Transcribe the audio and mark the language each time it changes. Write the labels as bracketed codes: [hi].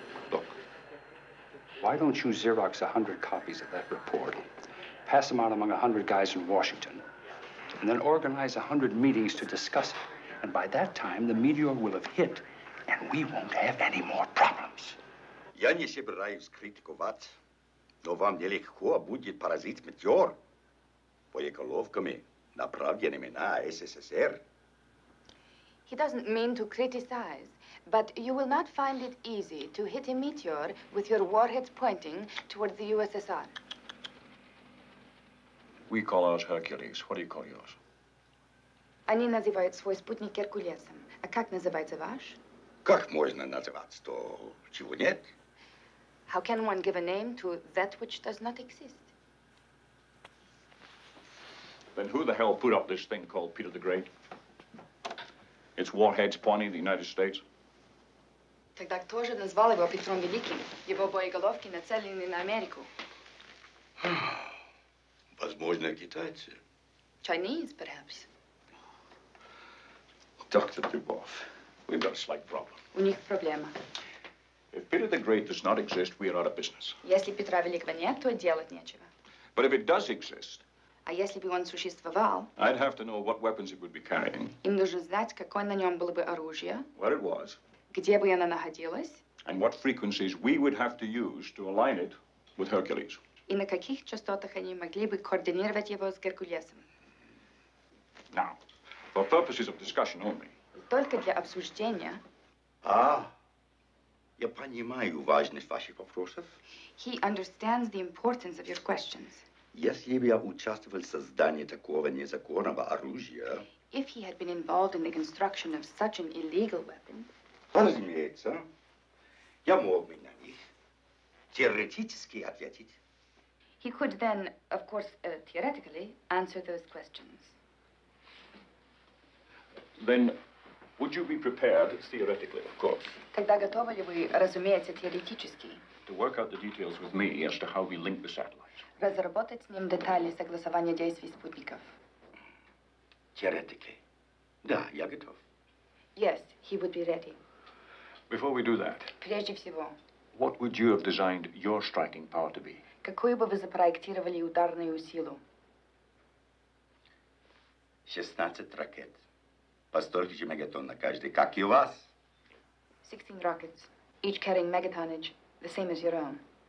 [en] Look. Why don't you Xerox 100 copies of that report, pass them out among 100 guys in Washington, and then organize 100 meetings to discuss it. And by that time, the meteor will have hit, and we won't have any more problems. [ru] Я не собираюсь критиковать, но вам нелегко будет поразить метеор боеголовками, направленными на СССР. [en] He doesn't mean to criticize. But you will not find it easy to hit a meteor with your warheads pointing toward the USSR. We call ours Hercules. What do you call yours? [ru] Они называют свой спутник Геркулесом. А как называется ваш? Как можно называть то, чего нет? [en] How can one give a name to that which does not exist? Then who the hell put up this thing called Peter the Great? It's warheads pointing the United States. [ru] Тогда кто же назвал его Петром Великим? Его боеголовки нацелены на Америку. Возможно, китайцы. [en] Chinese, perhaps. Dr. Dubov, we've got a slight problem. [ru] У них проблема. [en] If Peter the Great does not exist, we are out of business. [ru] Если Петра Великого нет, то делать нечего. [en] But if it does exist... [ru] А если бы он существовал... [en] I'd have to know what weapons it would be carrying. [ru] Им нужно знать, какое на нем было бы оружие. [en] Where it was. [ru] Где бы она находилась. [en] And what frequencies we would have to use to align it with Hercules. [ru] И на каких частотах они могли бы координировать его с Геркулесом. [en] Now, for purposes of discussion only... [ru] Только для обсуждения... А... Я понимаю важность ваших вопросов. [en] He understands the importance of your questions. [ru] Если бы я участвовал в создании такого незаконного оружия... [en] If he had been involved in the construction of such an illegal weapon... [ru] Разумеется, я мог бы на них теоретически ответить. [en] He could then, of course, theoretically, answer those questions. Then... Would you be prepared, theoretically, of course? [ru] Тогда готовы ли вы, разумеется, теоретически? [en] To work out the details with me as to how we link the satellites. [ru] Разработать с ним детали согласования действий спутников. [en] Theoretically. [ru] Да, я готов. [en] Yes, he would be ready. Before we do that... [ru] Прежде всего... [en] What would you have designed your striking power to be? [ru] Какую бы вы запроектировали ударную силу? 16 ракет. По столько же мегатон на каждый, как и у вас. [en] 16 rockets, each carrying megatonnage, the same as your own.